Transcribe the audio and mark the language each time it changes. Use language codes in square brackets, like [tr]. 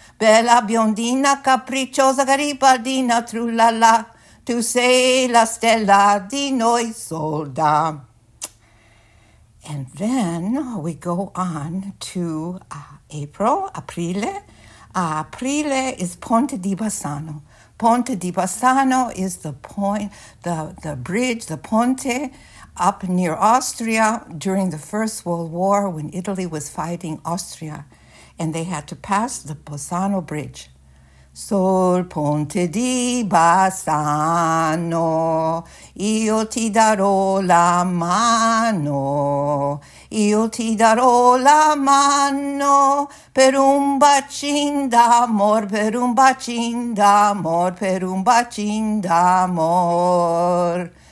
[it] Bella biondina, capricciosa Garibaldina, trullala. Tu sei la stella di noi solda. [en] And then we go on to April, aprile. Aprile is Ponte di Bassano. Ponte di Bassano is the point, the bridge, the ponte up near Austria during the First World War when Italy was fighting Austria and they had to pass the Bassano Bridge. [it] Sul ponte di Bassano, io ti darò la mano. Io ti darò la mano per un bacin d'amor, per un bacin d'amor, per un bacin d'amor.